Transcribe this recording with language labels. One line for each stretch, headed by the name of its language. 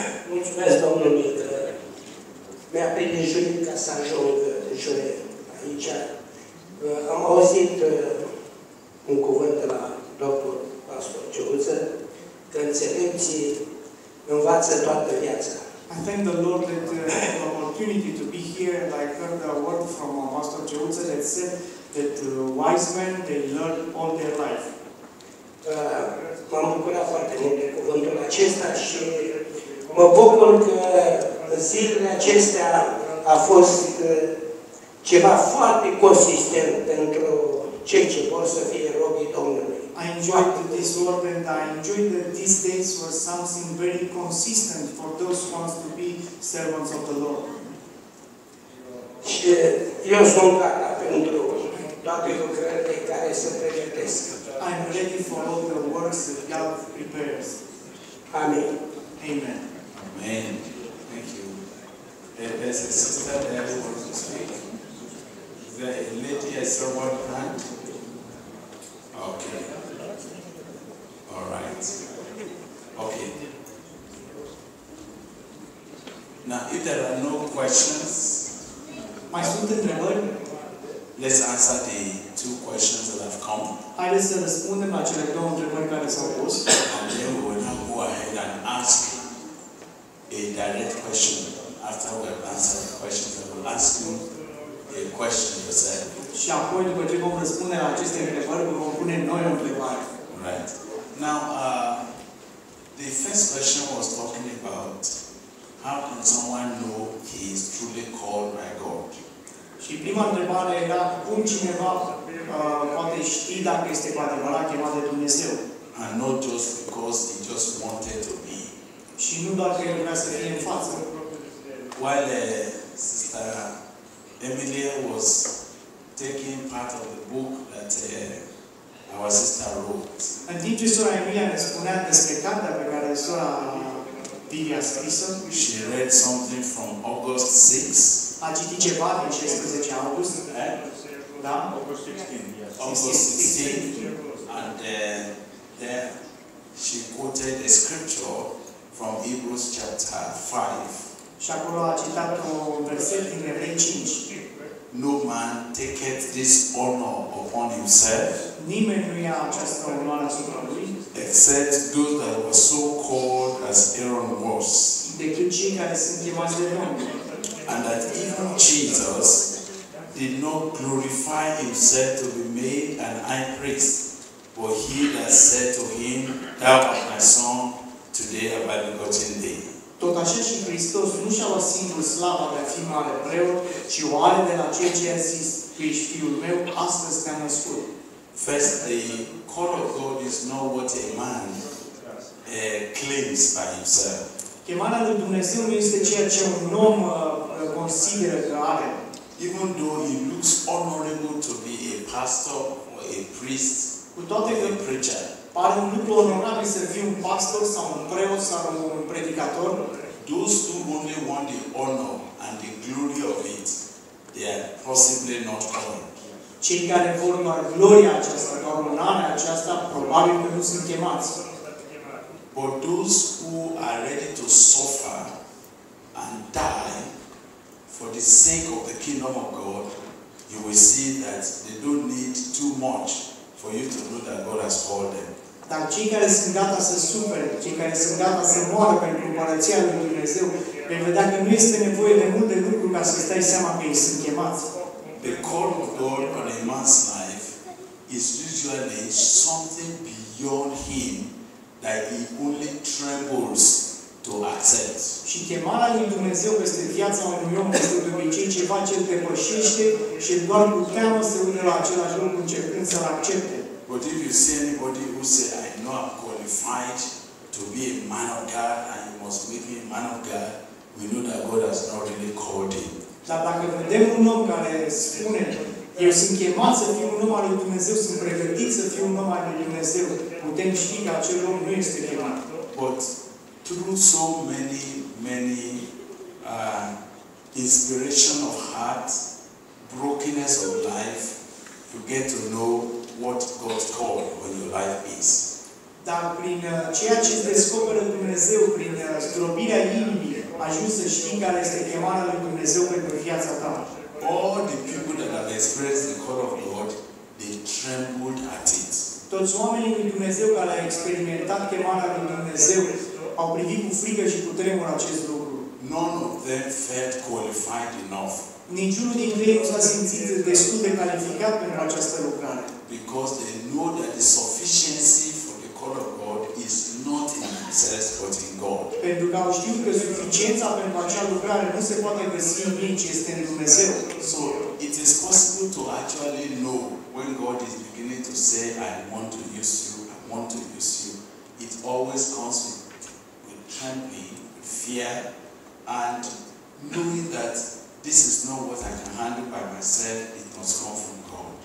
Romanian: Mulțumesc, domnul Mitră. Mi-a prins juni ca să ajung juni aici. Am auzit un cuvânt de la doctor pastor Ciuță, că înțelepții învață toată viața.
English: I thank the Lord that the opportunity to be here, and I heard a word from Pastor Ciuță that said that wise men, they learn all their life.
Romanian: M-am bucurat foarte mult de cuvântul acesta și mă bucur că zilele acestea a fost ceva foarte consistent pentru cei ce vor să fie robii Domnului.
English: I enjoyed this word and I enjoyed that these days was something very consistent for those ones to be servants of the Lord.
Romanian: Și eu sunt gata pentru toate lucrările care se pregătesc.
English: I am ready for all the works that God prepares. Amen. Amen. Amen. Thank you. There's a sister that I want to speak. The lady has her one hand. Okay. All right. Okay. Now, if there are no questions, my student, Trevor, let's answer the two questions that have come.
Romanian: Haideți să răspundem la cele două întrebări care s-au pus.
English: And then we will now go ahead and ask a direct question after we have answered the questions. I will ask you a question yourself.
Romanian: Și apoi, după ce vom răspunde la aceste întrebări, vom pune noi o întrebare.
English: Right. Now, the first question was talking about how can someone know he is truly called by God?
Romanian: Și prima întrebare era cum cineva poate ști dacă este cu adevărat chemat de Dumnezeu.
English: And not just because he just wanted to be.
Romanian: Și nu doar că el vrea să fie în față.
English: While sister Emilia was taking part of the book that our sister wrote. And did you
Romanian: sora Emilia ne spunea despre cartea pe care sora Vivia a scris-o?
English: She read something from August 6.
Romanian: A citit ceva din 16 august? Eh? Da?
English: August 16, yes. August 16. And then she quoted a scripture from Hebrews chapter 5.
Romanian: Și acolo a citat un verset din Evrei 5.
English: No man taketh this honor upon himself.
Romanian: Nimeni nu ia această onoare asupra lui.
English: Except those that were so called as Aaron was.
Romanian: Decât cei care sunt chemați de Domnul.
English: And that even Jesus did not glorify himself to be made an high priest, but he that said to him, Thou art my son, today have I begotten thee.
Romanian: Tot așa și Hristos nu și-a luat singur slava de a fi mare preot, ci o are de la ceea ce a zis, tu ești fiul meu, astăzi te-am născut.
English: First, the call of God is not what a man claims by himself.
Romanian: Chemarea lui Dumnezeu nu este ceea ce un om consideră că are.
English: Even though he looks honorable to be a pastor or a priest,
Romanian: cu toate că
English: preacher,
Romanian: pare un lucru onorabil să fii un pastor sau un preot sau un predicator.
English: Those who only want the honor and the glory of it, they are possibly not called.
Romanian: Cei care vor doar gloria aceasta, vor în anul aceasta, probabil că nu sunt chemați.
English: But those who are ready to suffer and die for the sake of the kingdom of God, you will see that they don't need too much for you to know that God has called them.
Romanian: Dar cei care sunt gata să sufere, cei care sunt gata să moară pentru împărăția lui Dumnezeu, vei vedea că nu este nevoie de multe lucruri ca să îți dai seama că ei sunt chemați.
English: The call of God on a man's life is usually something beyond him that he only trembles to accept.
Romanian: Și chemarea lui Dumnezeu peste viața unui om este de obicei ceva ce îl depășește și doar cu teamă se une la același lucru începând să-l accepte.
English: But if you see anybody who say, I know I'm qualified to be a man of God and you must make me a man of God, we know that God has not really called him.
Romanian: Dar dacă vedem un om care spune, eu sunt chemat să fiu un om al lui Dumnezeu, sunt pregătit să fiu un om al lui Dumnezeu, putem ști că acel om nu este chemat.
English: But through so many, many inspiration of heart, brokenness of life, you get to know what God's call on your life is.
Romanian: Dar prin ceea ce descoperă Dumnezeu, prin zdrobirea inimii, ajungi să știi care este chemarea lui Dumnezeu pentru viața ta.
English: All the people that have experienced the call of God, they trembled at it.
Romanian: Toți oamenii lui Dumnezeu care au experimentat chemarea lui Dumnezeu au privit cu frică și cu tremur acest lucru.
English: None of them felt qualified enough.
Romanian: Niciunul dintre ei nu s-a simțit destul de calificat pentru această lucrare.
English: Because they know that the sufficiency for the call of God is not in themselves but in God.
Romanian: Pentru că au știut că suficiența pentru acea lucrare nu se poate găsi în ei, ci este în Dumnezeu.
English: So, it is possible to actually know when God is beginning to say, I want to use you, I want to use you. It always comes with trembling, with fear, and knowing that this is not what I can handle by myself, it must come from God.